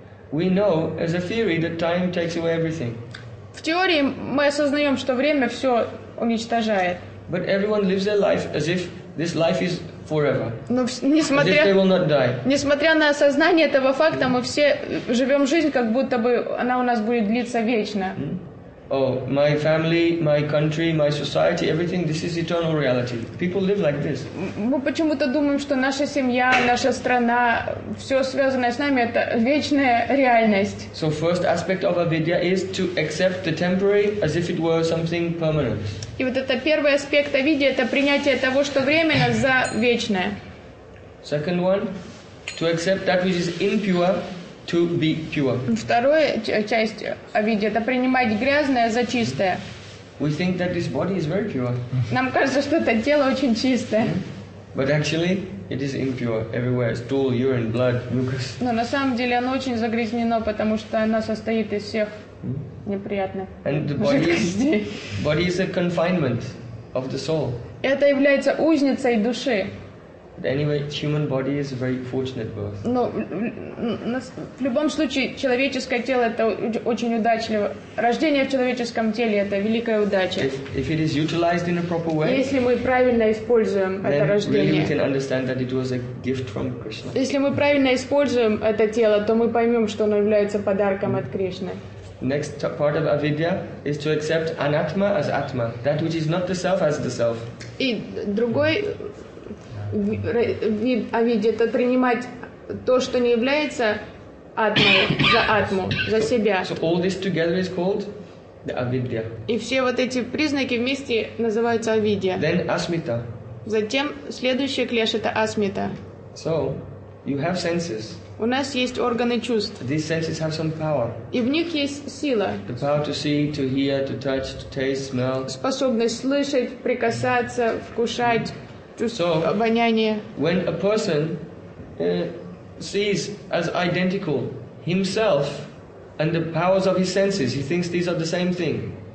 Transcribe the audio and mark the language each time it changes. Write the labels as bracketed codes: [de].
[en] We know as a theory that time takes away everything. [ru] В теории мы осознаем, что время все уничтожает. [en] But everyone lives their life as if this life is forever. [ru] Но несмотря, [en] as if they will not die. [ru] Несмотря на осознание этого факта, мы все живем жизнь, как будто бы она у нас будет длиться вечно. [en] Oh, my family, my country, my society, everything, this is eternal reality. People live like this. [ru] Мы почему-то думаем, что наша семья, наша страна, все связанное с нами, это вечная реальность. [en] So first aspect of avidya is to accept the temporary as if it were something permanent. [ru] И вот это первый аспект авидьи, это принятие того, что временно, за вечное. [en] Second one, to accept that which is impure, to be pure. [ru] Вторая часть авидьи это принимать грязное за чистое. [en] We think that this body is very pure. [ru] Нам кажется, что это тело очень чистое. [en] But actually, it is impure everywhere. Stool, urine, blood, mucus. [ru] Но на самом деле оно очень загрязнено, потому что оно состоит из всех неприятных. [en] And the body is a confinement of the soul. [ru] Это является узницей души. [en] Anyway, human body is a very fortunate birth. [ru] Но в любом случае человеческое тело это очень удачливо. Рождение в человеческом теле это великая удача. [en] If it is utilized in a proper way. [ru] Если мы правильно используем это рождение. [en] Then we can understand that it was a gift from Krishna. [ru] Если мы правильно используем это тело, то мы поймем, что оно является подарком от Кришны. [en] Next part of avidya is to accept anatma as atma, that which is not the self as the self. [ru] И другой вид авидьи это принимать то, что не является атмой, за атму, за себя. [en] So all this together is called the avidya. [ru] И все вот эти признаки вместе называются авидья. [en] Then asmita. [ru] Затем следующий клеш это асмита. [en] So you have senses. [ru] У нас есть органы чувств. [en] These senses have some power. [ru] И в них есть сила. [en] The power to see, to hear, to touch, to taste, smell. [ru] Способность слышать, прикасаться, вкушать. [en] So, when a person sees as identical himself and the powers of his senses, he thinks these are the same thing.